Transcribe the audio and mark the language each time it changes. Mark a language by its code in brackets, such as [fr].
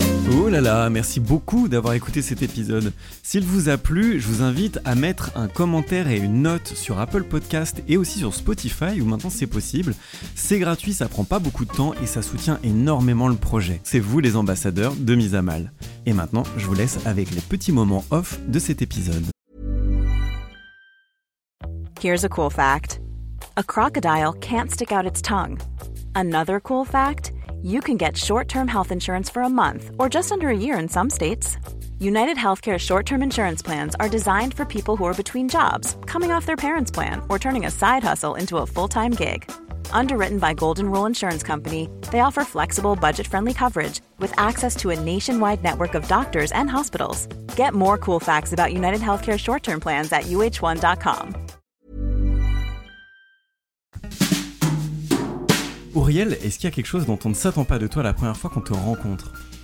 [fr] Oh là là, merci beaucoup d'avoir écouté cet épisode. S'il vous a plu, je vous invite à mettre un commentaire et une note sur Apple Podcast et aussi sur Spotify où maintenant c'est possible. C'est gratuit, ça prend pas beaucoup de temps et ça soutient énormément le projet. C'est vous les ambassadeurs de Mise à Mal. Et maintenant, je vous laisse avec les petits moments off de cet épisode. [en] Here's a cool fact. A crocodile can't stick out its tongue. Another cool fact. You can get short-term health insurance for a month or just under a year in some states. UnitedHealthcare short-term insurance plans are designed for people who are between jobs, coming off their parents' plan, or turning a side hustle into a full-time gig. Underwritten by Golden Rule Insurance Company, they offer flexible, budget-friendly coverage with access to a nationwide network of doctors and hospitals. Get more cool facts about UnitedHealthcare short-term plans at uh1.com. [fr] Auriel, est-ce qu'il y a quelque chose dont on ne s'attend pas de toi la première fois qu'on te rencontre ?